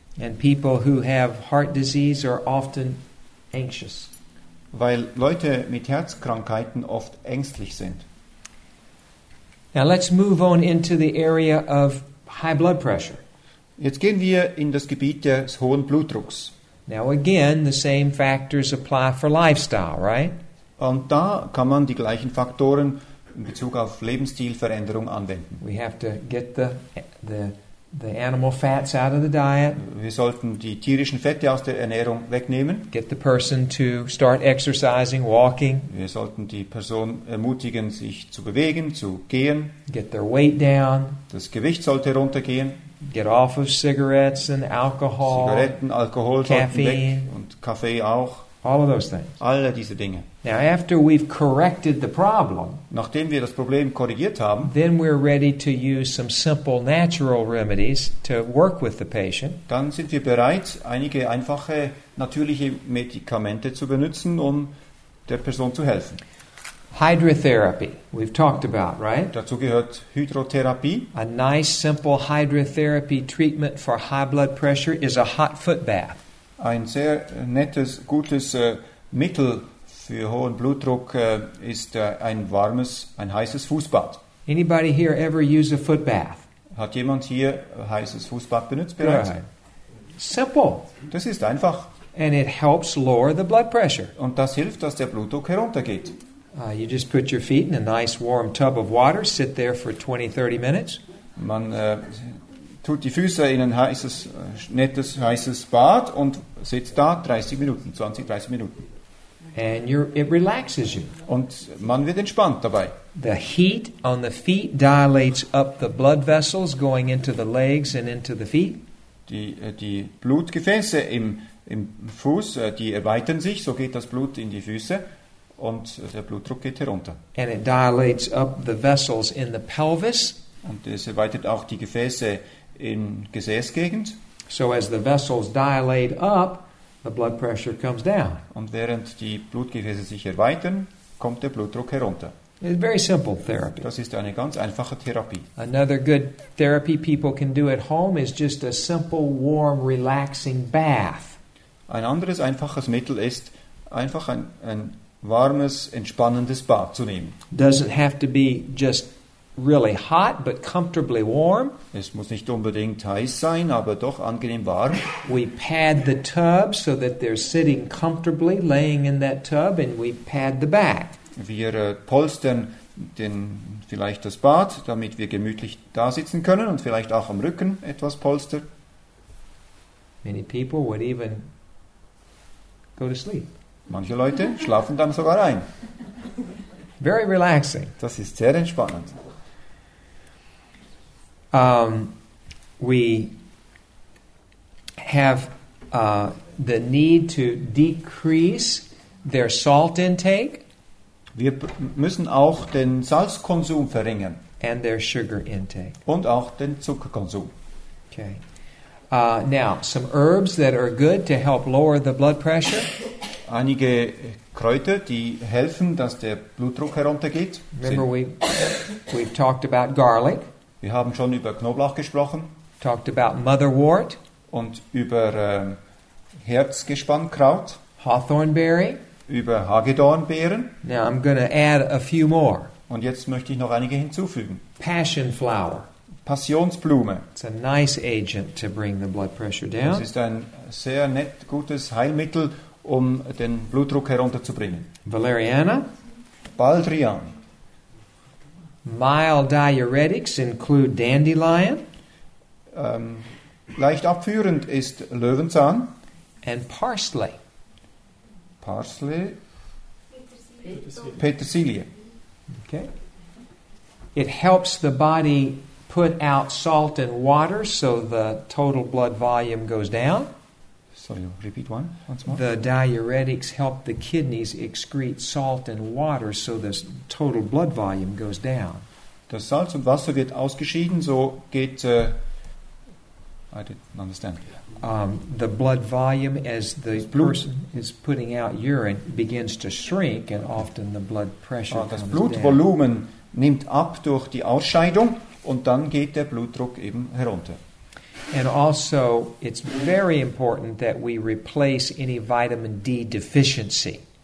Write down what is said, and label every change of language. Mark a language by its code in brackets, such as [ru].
[en] And people who have heart disease are often anxious. [de] Weil Leute mit Herzkrankheiten oft ängstlich sind. [en] Now let's move on into the area of high blood pressure. [de] Jetzt gehen wir in das Gebiet des hohen Blutdrucks. [en] Now again, the same factors apply for lifestyle, right? [de] Und da kann man die gleichen Faktoren in Bezug auf Lebensstilveränderung anwenden. [en] We have to get the animal fats out of the diet. [de] Wir sollten die tierischen Fette aus der Ernährung wegnehmen. [en] Get the person to start exercising, walking. [de] Wir sollten die Person ermutigen, sich zu bewegen, zu gehen. [en] Get their weight down. [de] Das Gewicht sollte runtergehen. [en] Get off of cigarettes and alcohol. [de] Zigaretten, Alkohol [en] caffeine, [de] sollten weg und Kaffee auch. [en] All of those things. [de] Alle diese Dinge. [en] Now after we've corrected the problem, [de] nachdem wir das Problem korrigiert haben, [en] then we're ready to use some simple natural remedies to work with the patient. [de] Dann sind wir bereit, einige einfache natürliche Medikamente zu benutzen, um der Person zu helfen. [en] Hydrotherapy, we've talked about, right? [de] Dazu gehört Hydrotherapie. [en] A nice simple hydrotherapy treatment for high blood pressure is a hot foot bath. [de] Ein sehr nettes, gutes Mittel für hohen Blutdruck ist ein heißes Fußbad. [en] Anybody here ever use a foot bath? [de] Hat jemand hier heißes Fußbad benutzt bereits? [en] Right. Simple. [de] Das ist einfach. [en] And it helps lower the blood pressure. [de] Und das hilft, dass der Blutdruck heruntergeht. [en] You just put your feet in a nice warm tub of water, sit there for 20-30 minutes. [de] Man tut die Füße in ein heißes, nettes, heißes Bad und sitzt da 20-30 Minuten. [en] And it relaxes you. [de] Und man wird entspannt dabei. [en] The heat on the feet dilates up the blood vessels going into the legs and into the feet. [de] Die Blutgefäße im Fuß, die erweitern sich, so geht das Blut in die Füße. Und der Blutdruck geht herunter. [en] And it dilates up the vessels in the pelvis. [de] Und es erweitert auch die Gefäße in Gesäßgegend. [en] So as the vessels dilate up, the blood pressure comes down. [de] Und während die Blutgefäße sich erweitern, kommt der Blutdruck herunter. [en] It's very simple therapy. [de] Das ist eine ganz einfache Therapie. [en] Another good therapy people can do at home is just a simple, warm, relaxing bath. [de] Ein anderes einfaches Mittel ist einfach ein warmes, entspannendes Bad zu nehmen. [en] Doesn't have to be just really hot, but comfortably warm. [de] Es muss nicht unbedingt heiß sein, aber doch angenehm warm. [en] We pad the tub so that they're sitting comfortably, laying in that tub, and we pad the back. [de] Wir polstern vielleicht das Bad, damit wir gemütlich da sitzen können und vielleicht auch am Rücken etwas polstern. [en] Many people would even go to sleep. [de] Manche Leute schlafen dann sogar ein. [en] Very relaxing. [de] Das ist sehr entspannend. [en] We have the need to decrease their salt intake. [de] Wir müssen auch den Salzkonsum verringern. [en] And their sugar intake. [de] Und auch den Zuckerkonsum. [en] Okay. Now, some herbs that are good to help lower the blood pressure. [de] Einige Kräuter, die helfen, dass der Blutdruck heruntergeht. [en] Remember, we've talked about garlic. [de] Wir haben schon über Knoblauch gesprochen. [en] Talked about motherwort. [de] Und über Herzgespannkraut. [en] Hawthornberry. [de] Über Hagedornbeeren. [en] Now I'm going to add a few more. [de] Und jetzt möchte ich noch einige hinzufügen. [en] Passionflower. [de] Passionsblume. [en] It's a nice agent to bring the blood pressure down. [de] Es ist ein sehr nett, gutes Heilmittel, um den Blutdruck herunterzubringen. [en] Valeriana. [de] Baldrian. [en] Mild diuretics include dandelion. [de] Leicht abführend ist Löwenzahn. [en] And parsley. Parsley. [de] Petersilie. [en] Okay. It helps the body put out salt and water, so the total blood volume goes down. So you repeat once more. The diuretics help the kidneys excrete salt and water, so the total blood volume goes down. [de] Das Salz und Wasser wird ausgeschieden, so geht. [en] I didn't understand. The blood volume, as the person is putting out urine, begins to shrink, and often the blood pressure comes down. [de] Das Blutvolumen nimmt ab durch die Ausscheidung, und dann geht der Blutdruck eben herunter. [en] And also, it's very important that we replace any vitamin D deficiency.